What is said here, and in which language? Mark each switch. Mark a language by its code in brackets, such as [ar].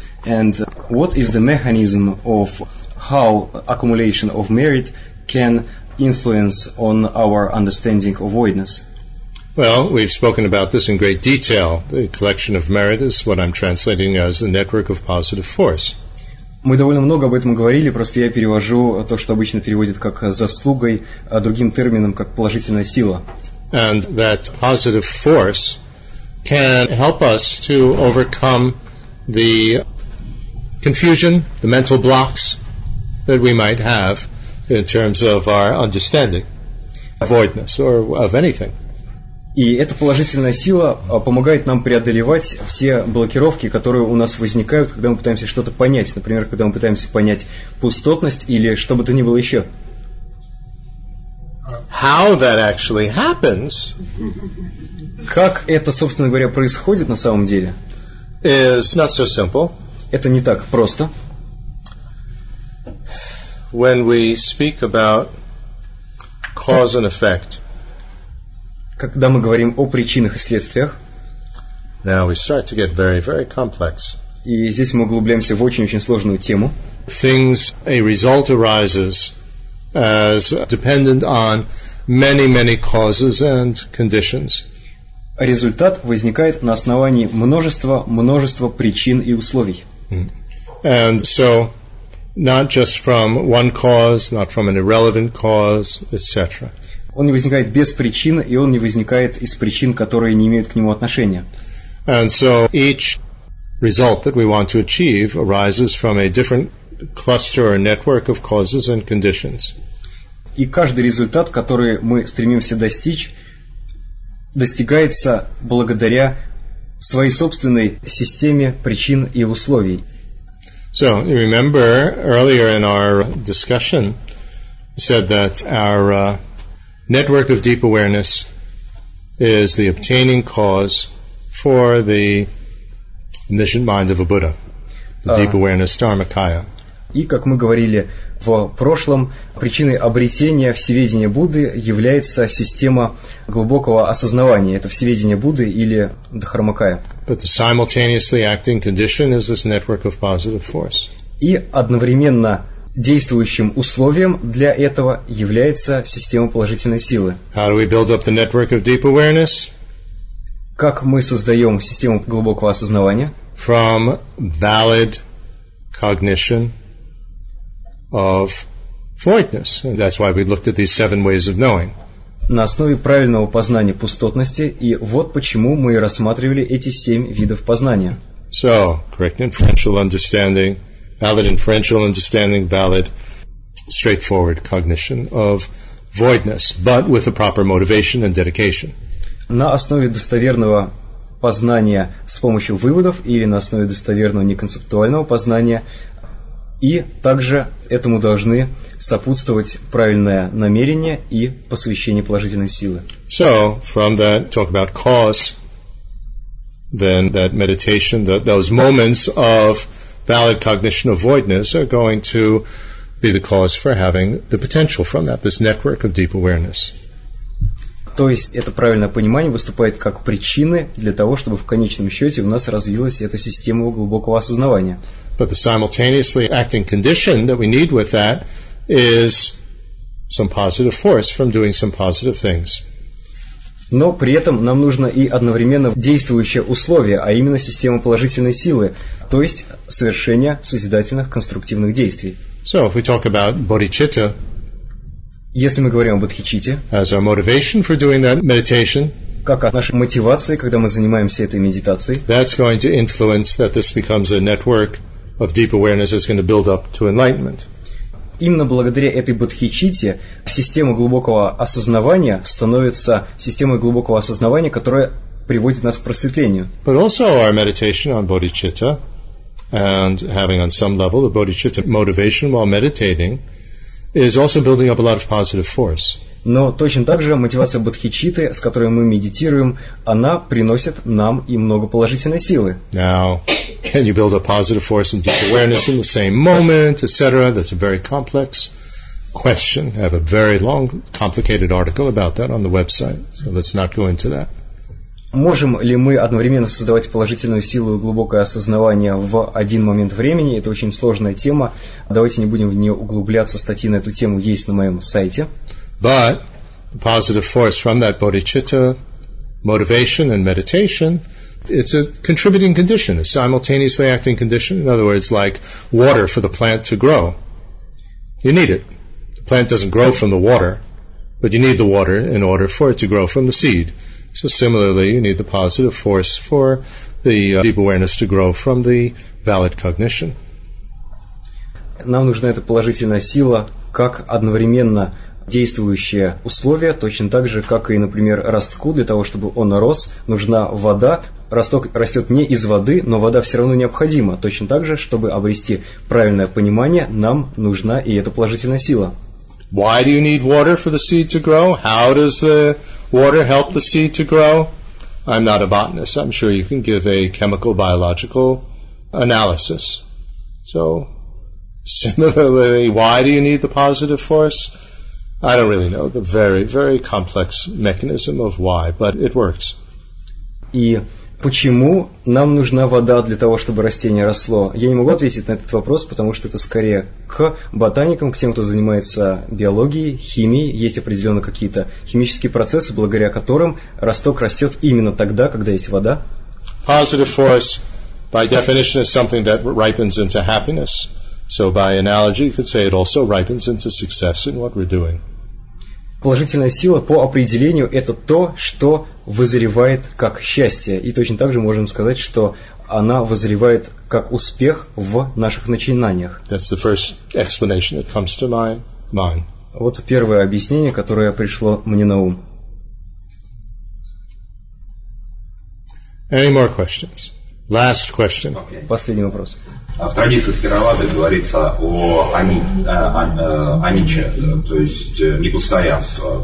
[en] And what is the mechanism of how accumulation of merit can influence on our understanding of voidness? Well, we've spoken about this in great detail. The collection of merit is what I'm translating as the network of positive force. [ru] Мы довольно много об этом говорили, просто я перевожу то, что обычно переводят как заслугой, а другим термином как положительная сила. [en] And that positive force can help us to overcome the confusion, the mental blocks that we might have in terms of our understanding, voidness, or of anything. [ru] И эта положительная сила помогает нам преодолевать все блокировки, которые у нас возникают, когда мы пытаемся что-то понять. Например, когда мы пытаемся понять пустотность или что бы то ни было еще. [en] How that actually happens, [ru] как это, собственно говоря, происходит на самом деле, [en] is not so simple. [ru] Это не так просто. [en] When we speak about cause and effect, [ru] когда мы говорим о причинах и следствиях, [en] now we start to get very, very complex. [ru] И здесь мы углубляемся в очень-очень сложную тему. [en] Things, a result arises as dependent on many, many causes and conditions. [ru] Результат возникает на основании множества причин и условий. [en] And so, not just from one cause, not from an irrelevant cause, etc. [ru] Он не возникает без причин, и он не возникает из причин, которые не имеют к нему отношения. [en] And so each result that we want to achieve arises from a different cluster or network of causes and conditions. [ru] И каждый результат, который мы стремимся достичь, достигается благодаря своей собственной системе причин и условий. [en] So, you remember earlier in our discussion, we said that our network of deep awareness is the obtaining cause for the omniscient mind of a Buddha, the deep awareness dharmakaya. [ru] И как мы говорили в прошлом, причиной обретения всеведения Будды является система глубокого осознавания. Это всеведение Будды или дхармакая. [en] But the simultaneously acting condition is this network of positive force. [ru] И одновременно действующим условием для этого является система положительной силы. [en] How do we build up the network of deep awareness? [ru] Как мы создаем систему глубокого осознавания? [en] From valid cognition of voidness. And that's why we looked at these seven ways of knowing. [ru] На основе правильного познания пустотности, и вот почему мы рассматривали эти семь видов познания. [en] So, correct inferential understanding, valid inferential understanding, valid straightforward cognition of voidness, but with the proper motivation and dedication. [ru] На основе достоверного познания с помощью выводов или на основе достоверного неконцептуального познания, и также этому должны сопутствовать правильное намерение и посвящение положительной силы. [en] So, from that talk about cause, then that meditation, that those moments of valid cognition of voidness are going to be the cause for having the potential from that, this network of deep awareness. [ru] То есть это правильное понимание выступает как причины для того, чтобы в конечном счете у нас развилась эта система глубокого осознавания. [en] But the simultaneously acting condition that we need with that is some positive force from doing some positive things. [ru] Но при этом нам нужно и одновременно действующее условие, а именно система положительной силы, то есть совершение созидательных конструктивных действий. [en] So if we talk about bodhicitta, [ru] если мы говорим о бодхичитте, [en] as our motivation for doing that meditation, [ru] как о нашей мотивации, когда мы занимаемся этой медитацией, [en] that's going to influence that this becomes a network of deep awareness that's going to build up to enlightenment. [ru] Именно благодаря этой бодхичитте система глубокого осознавания становится системой глубокого осознавания, которая приводит нас к просветлению. [en] But also our meditation on bodhicitta and having on some level the bodhicitta motivation while meditating is also building up a lot of positive force. [ru] Но точно так же мотивация бодхичитты, с которой мы медитируем, она приносит нам и много положительной силы. [en] Now, can you build a positive force and deep awareness in the same moment, etc.? That's a very complex question. I have a very long, complicated article about that on the website, so let's not go into that. [ru] Можем ли мы одновременно создавать положительную силу и глубокое осознавание в один момент времени? Это очень сложная тема. Давайте не будем в нее углубляться. Статьи на эту тему есть на моем сайте. [en] But the positive force from that bodhicitta motivation and meditation, it's a contributing condition, a simultaneously acting condition. In other words, like water for the plant to grow. You need it. The plant doesn't grow from the water, but you need the water in order for it to grow from the seed. So similarly, you need the positive force for the deep awareness to grow from the valid cognition. [ru] Нам нужна эта положительная сила, как одновременно действующее условие, точно так же, как и, например, ростку, для того, чтобы он рос, нужна вода. Росток растет не из воды, но вода все равно необходима. Точно так же, чтобы обрести правильное понимание, нам нужна и эта положительная сила. [en] Why do you need water for the seed to grow? How does the water help the seed to grow? I'm not a botanist. I'm sure you can give a chemical, biological analysis. So, similarly, why do you need the positive force? I don't really know the very, very complex mechanism of why, but it works. [ru] И почему нам нужна вода для того, чтобы растение росло? Я не могу ответить на этот вопрос, потому что это скорее к ботаникам, к тем, кто занимается биологией, химией. Есть определенно какие-то химические процессы, благодаря которым росток растет именно тогда, когда есть вода. [en] Positive force, by definition, is something that ripens into happiness. So by analogy, you could say it also ripens into success in what we're doing. [ru] Положительная сила по определению – это то, что вызревает как счастье. И точно так же можем сказать, что она вызревает как успех в наших начинаниях. [en] That's the first explanation that comes to my mind. [ru] Вот первое объяснение, которое пришло мне на ум. [en] Any more questions? Last question. [ru] Okay. Последний вопрос. В традициях Тхеравады говорится о аниче, то есть непостоянство.